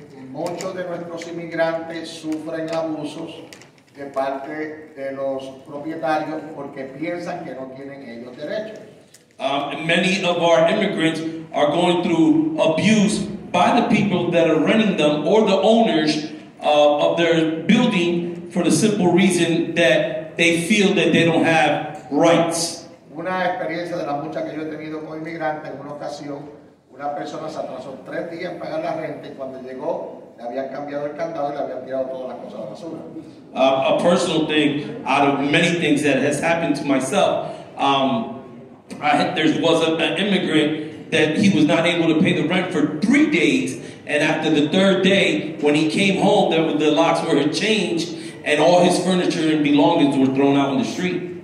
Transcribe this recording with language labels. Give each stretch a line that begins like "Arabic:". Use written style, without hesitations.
Spanish: Muchos de nuestros inmigrantes sufren abusos de parte de los propietarios porque piensan que no tienen ellos derechos.
English: Many of our immigrants are going through abuse by the people that are renting them or the owners of their building for the simple reason that they feel that they don't have rights.
Spanish: Una experiencia de las muchas que yo he tenido con inmigrantes, en una ocasión, una persona se atrasó 3 días en pagar la renta y cuando llegó, le habían cambiado el candado y le habían tirado todas las cosas a la basura.
English: A personal thing, out of many things that has happened to myself, there was an immigrant that he was not able to pay the rent for 3 days, and after the third day, when he came home, there was the locks were changed, and all his furniture and belongings were thrown out on the street.